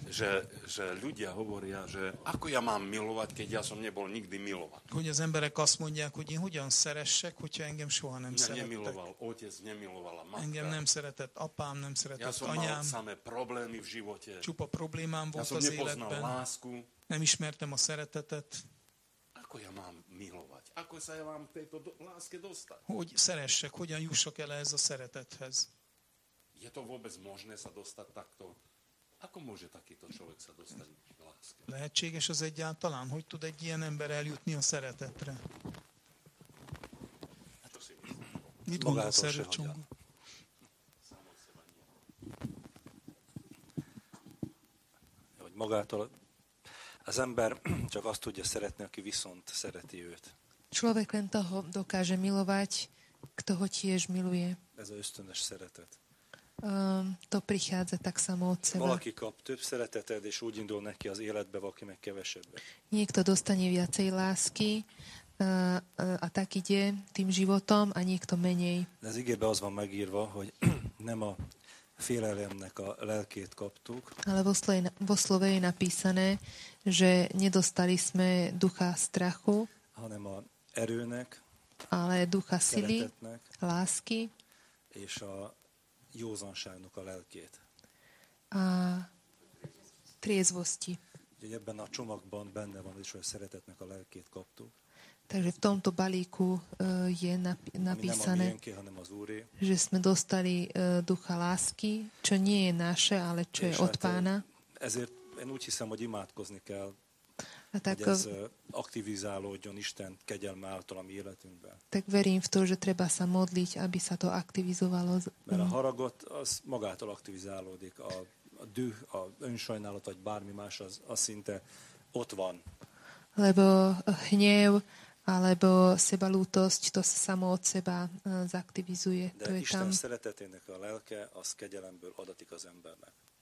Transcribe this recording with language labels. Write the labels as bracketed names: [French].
[Slovak] že ľudia hovoria, že ako ja mám milovať, keď ja som nebol nikdy milovaný. [Hungarian] Hogy az emberek azt mondják, hogy én hogyan szeressek, hogyha engem soha nem szerettek. [Slovak] Engem nemiloval otec, nemilovala matka. [Hungarian] Engem nem szeretett apám, nem szeretett anyám. [Slovak] Ja som [Hungarian] anyám. [Slovak] Mal same problémy v živote. [Hungarian] Čupa problémám volt az életben. [Slovak] Ja som nepoznal lásku. [Hungarian] Nem ismertem a szeretetet. [Slovak] Ako ja mám milovať? Ako sa ja mám tejto láske dostať? [Hungarian] Hogy szeressek, hogyan jussak el ez a szeretethez. [Slovak] Je to vôbec možné sa dostať takto? Ako môže takýto človek sa dostať k láske? [Hungarian] Lehetséges az egyáltalán, hogy tud egy ilyen ember eljutni a szeretetre? Hát, mit gondolsz erről, Csongó? Hogy magától az ember csak azt tudja szeretni, aki viszont szereti őt. [Slovak] Človek len toho dokáže milovať, kto ho tiež miluje. [Hungarian] Ez az ösztönös szeretet. [Slovak] To prichádza tak samo od seba. [Hungarian] Valaki kap több szereteted, és úgy indul neki az életbe, valaki meg kevesebbe. [Slovak] Niekto dostane viacej lásky, a tak ide tým životom, a niekto menej. [Hungarian] De az igébe az van megírva, hogy nem a félelemnek a lelkét kaptuk. [Slovak] Ale vo slove je napísané, že nedostali sme ducha strachu, [Hungarian] hanem a erőnek, [Slovak] ale ducha sily, lásky, [Hungarian] és a józanságnak a lelkét. [Slovak] A triezvosti. [Hungarian] Úgyhogy ebben a csomagban benne van is, hogy a szeretetnek a lelkét kaptuk. [Slovak] Takže v tomto balíku je napísané, mienke, že sme dostali ducha lásky, čo nie je naše, ale čo je od pána. [Hungarian] Ezért én úgy hiszem, hogy imádkozni kell, [Slovak] tak, [Hungarian] hogy ez aktivizálódjon Isten kegyelme által a mi életünkben. [Slovak] Tak verím v to, že treba sa modliť, aby sa to aktivizovalo. [Hungarian] Mert a haragot az magától aktivizálódik. A düh, a önsajnálat, vagy bármi más, az szinte ott van. [Slovak] Lebo hnev alebo sebalútosť, to sa samo od seba zaktivizuje. [Hungarian] De [Slovak] to je [Hungarian] Isten [Slovak] tam. [Hungarian] Szeretetének a lelke az kegyelemből adatik az embernek.